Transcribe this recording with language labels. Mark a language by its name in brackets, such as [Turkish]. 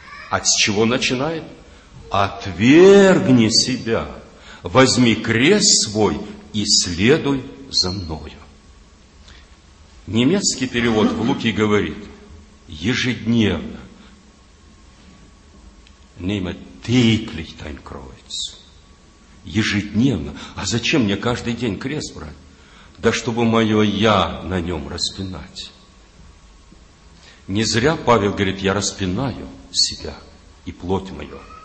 [Russian] А с чего начинает? Отвергни себя, возьми крест свой и следуй за мною. Немецкий перевод в Луки говорит, ежедневно. [German] Nehme täglich dein Kreuz. [Russian] Ежедневно. А зачем мне каждый день крест брать? Да чтобы мое «я» на нем распинать. Не зря Павел говорит, я распинаю себя и плоть мою.